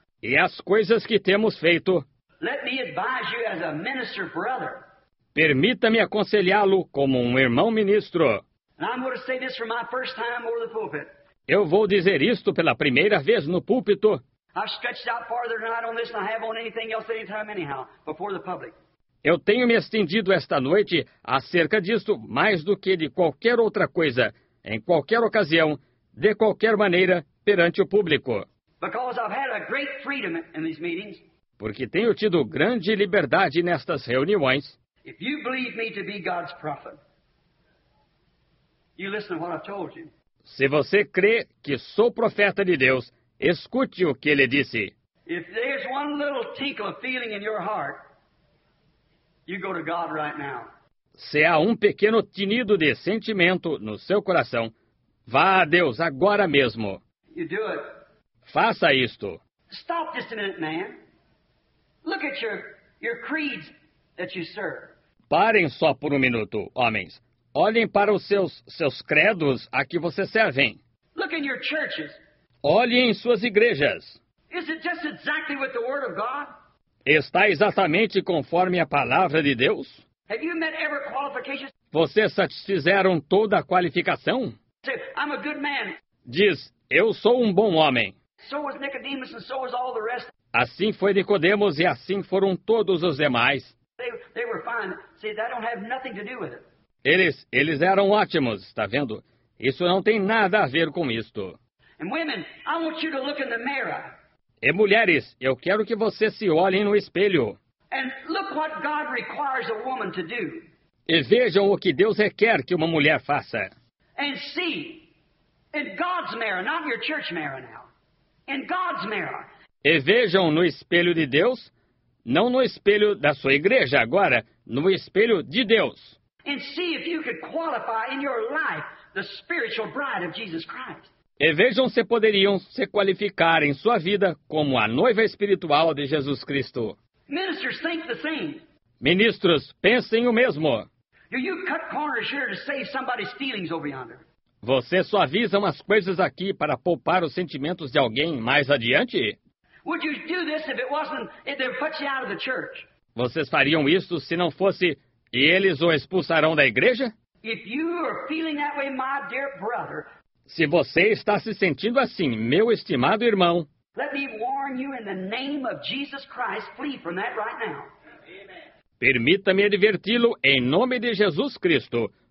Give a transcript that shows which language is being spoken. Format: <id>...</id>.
<pt>E as coisas que temos feito.</pt> <en>Let me advise you as a minister brother.</en> <pt>Permita-me aconselhá-lo como um irmão ministro.</pt> <en>And I'm going to say this for my first time over the pulpit.</en> <pt>Eu vou dizer isto pela primeira vez no púlpito.</pt> <en>I've stretched out farther than I have on this than I have on anything else anytime anyhow before the public.</en> <pt>Eu tenho me estendido esta noite acerca disto mais do que de qualquer outra coisa, em qualquer ocasião, de qualquer maneira, perante o público.</pt> <en>Because I've had a great freedom in these meetings.</en> <pt>Porque tenho tido grande liberdade nestas reuniões.</pt> <en>If you believe me to be God's prophet, you listen to what I've told you.</en> <pt>Se você crê que sou profeta de Deus, escute o que ele disse.</pt> <en>If there's one little tinkle of feeling in your heart, you go to God right now.</en> <pt>Se há um pequeno tinido de sentimento no seu coração, vá a Deus agora mesmo.</pt> <en>You do it.</en> <pt>Faça isto.</pt> <en>Stop just a minute, man. Look at your creeds that you serve.</en> <pt>Parem só por um minuto, homens. Olhem para os seus credos a que você servem.</pt> <en>Look in your churches.</en> <pt>Olhem em suas igrejas.</pt> <en>Is it just exactly with the word of God?</en> <pt>Está exatamente conforme a palavra de Deus?</pt> <en>Have you met every qualification?</en> <pt>Vocês satisfizeram toda a qualificação?</pt> <en>I'm a good man.</en> <pt>Diz, eu sou um bom homem.</pt> <en>So was Nicodemus and so was all the rest.</en> <pt>Assim foi Nicodemos e assim foram todos os demais.</pt> <en>They were fine. See, they don't have nothing to do with it.</en> <pt>Eles eram ótimos, está vendo? Isso não tem nada a ver com isto.</pt> <en>And women, I want you to look in the mirror.</en> <pt>E mulheres, eu quero que vocês se olhem no espelho.</pt> <en>And look what God requires a woman to do.</en> <pt>E vejam o que Deus requer que uma mulher faça.</pt> <en>And see, in God's mirror, not your church mirror now. In God's mirror.</en> <pt>E vejam no espelho de Deus, não no espelho da sua igreja agora, no espelho de Deus.</pt> <en>And see if you could qualify in your life the spiritual bride of Jesus Christ.</en> <pt>E vejam se poderiam se qualificar em sua vida como a noiva espiritual de Jesus Cristo.</pt> <en>Ministers, think the same.</en> <pt>Ministros, pensem o mesmo.</pt> <en>Do you cut corners here to save somebody's feelings over yonder?</en> <pt>Você suaviza umas coisas aqui para poupar os sentimentos de alguém mais adiante?</pt> <en>Would you do this if it wasn't if they put you out of the church?</en> <pt>Vocês fariam isso se não fosse e eles o expulsarão da igreja?</pt> <en>If you are feeling that way, my dear brother,</en> <pt>se você está se sentindo assim, meu estimado irmão,</pt> <en>let me warn you in the name of Jesus Christ, flee from that right now.</en> <pt>Permita-me adverti-lo em nome de Jesus Cristo.</pt>